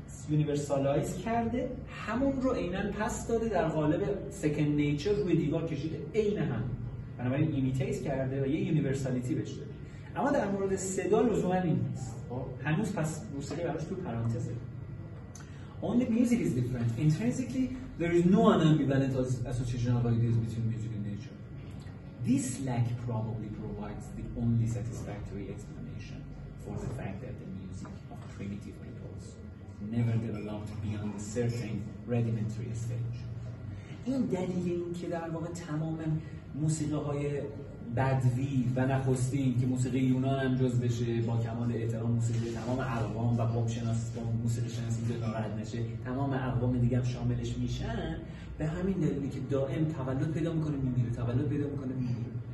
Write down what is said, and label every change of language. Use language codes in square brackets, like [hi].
[fa] یونیورسالایز کرده، همون رو عیناً پس داده در قالب سکند نیچر روی دیوار کشیده، عین هم بنابراین ایمیتیت کرده و یه یونیورسالیتی بهش داده. اما در مورد صدا لزوماً این نیست، هنوز پس موسیقی براش تو پرانتزه. [en] Only music is different. Intrinsically, there is no ambivalent association of ideas between music and nature. This lack probably provides the only satisfactory explanation for the fact that the music of primitive peoples never developed beyond a certain rudimentary stage. [fa] این دلیلی که در واقع تمام موسیقی‌های بدوی و نخستین که موسیقی یونان هم جز بشه با کمال احترام موسیقی تمام اقوام و قوم شناسی و موسیقی شناسی بدارد نشه تمام اقوام دیگه هم شاملش میشن، به همین دلیلی که دائم تولد پیدا میکنه میمیره، تولد پیدا میکنه میمیره.